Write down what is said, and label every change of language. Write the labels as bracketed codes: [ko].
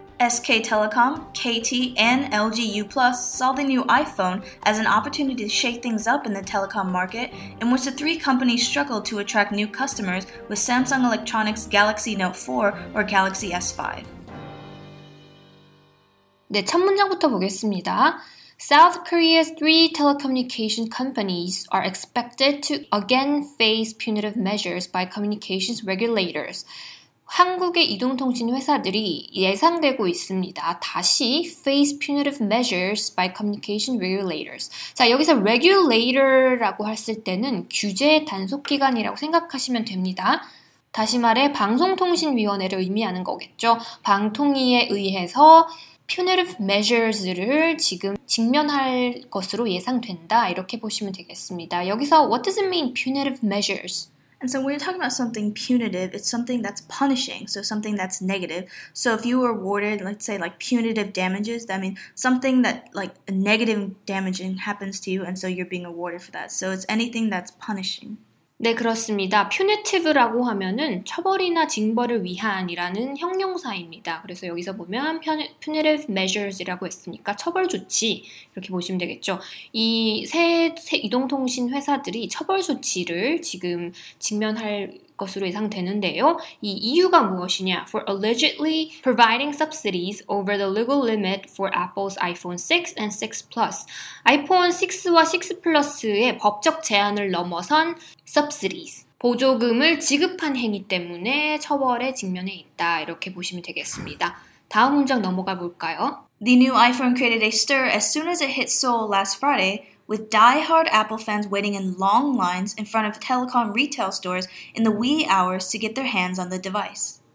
[en] SK Telecom, KT, and LG U+ saw the new iPhone as an opportunity to shake things up in the telecom market, in which the three companies struggled to attract new customers with Samsung Electronics' Galaxy Note 4 or Galaxy S5. [ko] 네, 첫 문장부터 보겠습니다. [en] South Korea's three telecommunication companies are expected to again face punitive measures by communications regulators. [ko] 한국의 이동통신 회사들이 예상되고 있습니다. 다시 [en] face punitive measures by communication regulators. [ko] 자, 여기서 regulator라고 했을 때는 규제 단속기관이라고 생각하시면 됩니다. 다시 말해 방송통신위원회를 의미하는 거겠죠. 방통위에 의해서 punitive measures를 지금 직면할 것으로 예상된다. 이렇게 보시면 되겠습니다. 여기서 [en] what does it mean punitive measures? And so when you're talking about something punitive, it's something that's punishing, so something that's negative. So if you were awarded, let's say, like punitive damages, that means something that, like, negative damaging happens to you, and so you're being awarded for that. So it's anything that's punishing. [ko] 네, 그렇습니다. Punitive라고 하면은 처벌이나 징벌을 위한이라는 형용사입니다. 그래서 여기서 보면 punitive measures이라고 했으니까 처벌 조치 이렇게 보시면 되겠죠. 이 새 이동통신 회사들이 처벌 조치를 지금 직면할 것으로 예상되는데요. 이 이유가 무엇이냐? [en] For allegedly providing subsidies over the legal limit for Apple's iPhone 6 and 6 Plus. [ko] 아이폰 6와 6 Plus의 법적 제한을 넘어선 subsidies. 보조금을 지급한 행위 때문에 처벌에 직면해 있다. 이렇게 보시면 되겠습니다. 다음 문장 넘어가 볼까요? [en] The new iPhone created a stir as soon as it hit Seoul last Friday. With die-hard Apple fans waiting in long lines in front of telecom retail stores in the wee hours to get their hands on the device.